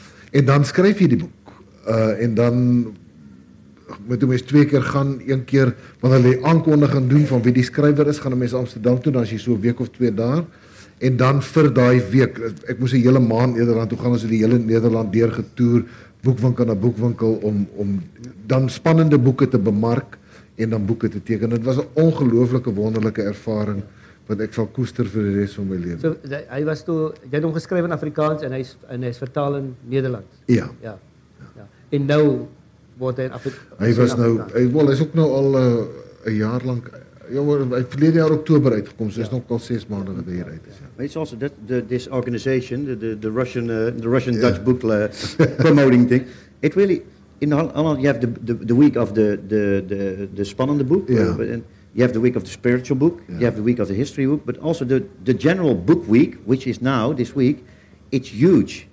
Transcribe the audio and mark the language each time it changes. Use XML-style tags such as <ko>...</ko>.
<af>En dan skryf jy die boek, en dan moet die mens twee keer gaan, een keer, want hulle die aankondiging doen van wie die skrywer is, gaan die mens Amsterdam toe, dan is jy so 1 week of 2 daar, en dan vir die week, ek moes die hele maand Nederland toe gaan, ons het die hele Nederland deurgetoer, boekwinkel na boekwinkel, om dan spannende boeke te bemark, en dan boeke te teken. Het was 'n ongelooflike, wonderlike ervaring, wat ek sal koester vir die rest van my leven. So, hy was toe, jy het hom geskryf in Afrikaans, en hy is vertaal in Nederlands. Ja. Ja. Ja. En nou word hy in Afrikaans. Hy was nou, hy is ook nou al een jaar lang, hy het verlede jaar oktober uitgekom, so ja. Is nog al 6 maande wat hy hier uit is.</af> <en>Maar it's also this organization, the Russian Dutch book promoting thing, it really, in Holland, you have the week of the spannende boek, yeah. You have the week of the spiritual book, yeah. You have the week of the history book, but also the general book week, which is now, this week, it's huge.</en>